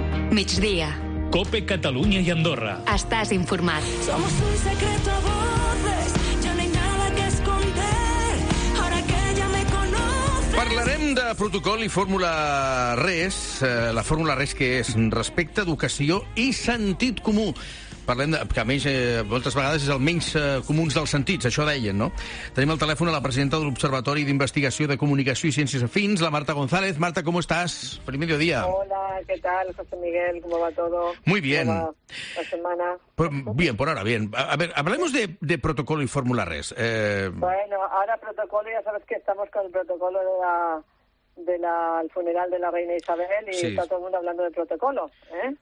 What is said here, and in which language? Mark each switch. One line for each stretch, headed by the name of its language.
Catalan: Migdia. COPE Catalunya i Andorra. Estàs informat.
Spanish: Somos un secreto a voces, ya no hay nada que esconder, ahora que ya me conoces.
Catalan: Parlarem de protocol i fórmula res, la fórmula res que és respecte, educació i sentit comú. Parlem de, que a més, moltes vegades és el menys comuns dels sentits, això deien, no? Tenim al telèfon a la presidenta de l'Observatori d'Investigació de Comunicació i Ciències Afins, la Marta González.
Spanish: Marta, ¿cómo estás?
Catalan: Primer dia.
Spanish: Hola, ¿qué tal, José Miguel? ¿Cómo va todo? Muy bien. La semana. Bien, por ahora, bien. A ver, hablemos de protocolo y fórmula res. Bueno, ahora protocolo, ya sabes que estamos con el protocolo de la... el funeral de la reina Isabel y sí. Está todo el mundo hablando de protocolo, ¿eh?